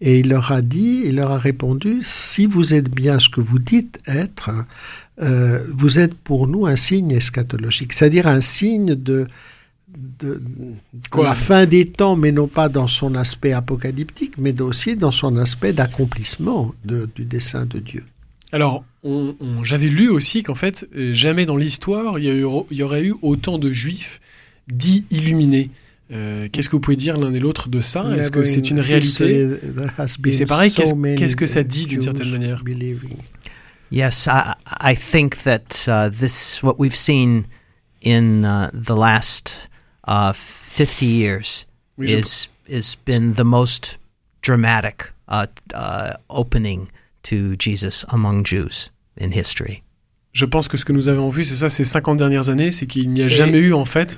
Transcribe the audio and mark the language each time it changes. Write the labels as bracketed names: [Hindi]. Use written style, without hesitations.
[French] Et il leur a dit, il leur a répondu, si vous êtes bien ce que vous dites être, vous êtes pour nous un signe eschatologique, c'est-à-dire un signe de la fin des temps, mais non pas dans son aspect apocalyptique, mais aussi dans son aspect d'accomplissement du dessein de Dieu. Alors, j'avais lu aussi qu'en fait, jamais dans l'histoire, il y aurait eu autant de juifs dits illuminés. Qu'est-ce que vous pouvez dire l'un et l'autre de ça? Est-ce que c'est une réalité? Et c'est pareil, qu'est-ce que ça dit d'une certaine manière? [English] Yes, I think that this what we've seen in the last 50 years is been the most dramatic opening to Jesus among Jews in history. [French] Je pense que ce que nous avons vu, c'est ça, ces 50 dernières années, c'est qu'il n'y a jamais eu, en fait...